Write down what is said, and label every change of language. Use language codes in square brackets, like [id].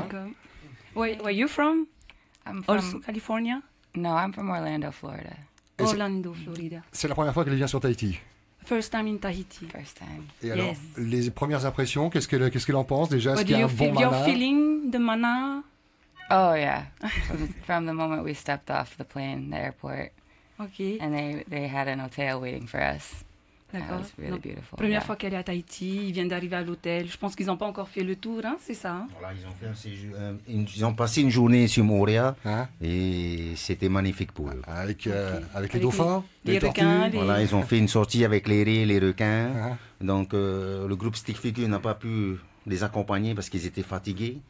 [en] Welcome. Where are you from? I'm from also California? No, I'm from Orlando, Florida. Orlando, Florida. [fr] C'est la première fois qu'elle vient sur Tahiti. [en] First time in Tahiti. First time. [fr] Et alors, [en] yes. [fr] Les premières impressions, qu'est-ce qu'elle en pense déjà? Est-ce qu'il y a un bon [en] mana? You're feeling the mana? Oh yeah. From the moment we stepped off the plane, the airport. Okay. And they had an hotel waiting for us. [fr] D'accord. [en] It's really beautiful. [fr] Première fois qu'elle est à Tahiti, ils viennent d'arriver à l'hôtel. Je pense qu'ils n'ont pas encore fait le tour, hein, c'est ça. Voilà, ils ont fait ils ont passé une journée sur Moria, hein? Et c'était magnifique pour eux. Avec, okay. avec les dauphins, les tortues. Voilà, ils ont fait une sortie avec les raies, les requins. Hein? Donc le groupe Stick Figure n'a pas pu les accompagner parce qu'ils étaient fatigués.